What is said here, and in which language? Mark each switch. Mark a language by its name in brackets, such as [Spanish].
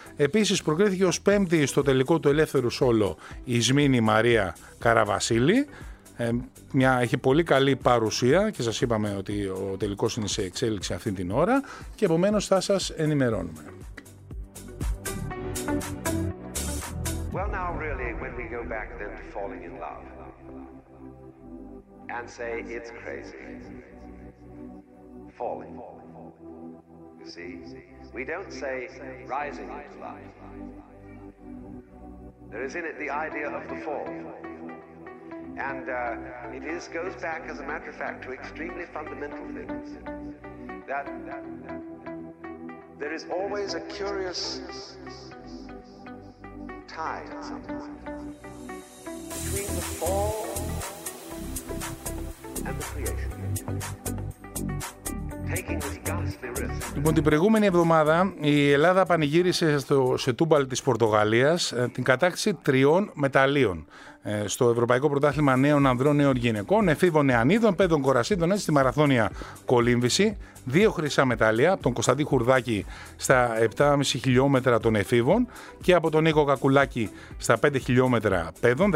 [Greek] Επίσης προκρίθηκε ως 5η στο τελικό του ελεύθερου σόλο η Ισμήνη Μαρία Καραβασίλη. Έχει πολύ καλή παρουσία και σας είπαμε ότι ο τελικός είναι σε εξέλιξη αυτή την ώρα και επομένως θα σας ενημερώνουμε. [English] Well, now really, when we go back then to falling in love and say it's crazy falling, you see, we don't say rising into love. There is in it the idea of the fall. And it is goes back, as a matter of fact, to extremely fundamental things. That there is always a curious tie sometimes between the fall and the creation. [Greek] Λοιπόν, την προηγούμενη εβδομάδα η Ελλάδα πανηγύρισε σε τούμπαλ της Πορτογαλίας την κατάκτηση τριών μεταλλίων στο Ευρωπαϊκό Πρωτάθλημα Νέων Ανδρών Νέων Γυναικών, Εφήβων Νεανίδων, Παιδών Κορασίδων, έτσι στη Μαραθώνια Κολύμβηση. Δύο χρυσά μετάλλια από τον Κωνσταντή Χουρδάκη στα 7,5 χιλιόμετρα των Εφήβων και από τον Νίκο Κακουλάκη στα 5 χιλιόμετρα Παιδών.